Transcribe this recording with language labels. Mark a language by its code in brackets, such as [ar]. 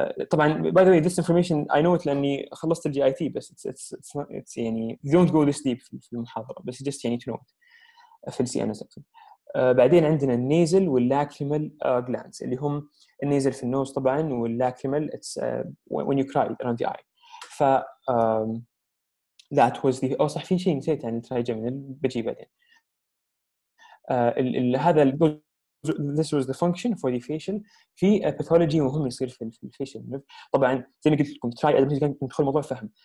[en] طبعاً by the way this information I know it [ar] لأني خلصت الجي آي تي, [en] بس it's يعني don't go this deep [ar] في المحاضرة, [en] بس just يعني to note في الـ CNS. [ar] بعدين عندنا النيزل واللاكريمال glands اللي هم النيزل في النوز طبعا واللاكريمال [en] it's when you cry around the eye. [ar] ف [en] that was the [ar] أو صح في شيء نسيت عن الترايجمينال بجي بعدين. هذا [en] this was the function for the facial. [ar] في pathology مهم يصير في الفيشل طبعا زي ما قلت لكم تراي قبل ما ندخل الموضوع فهم.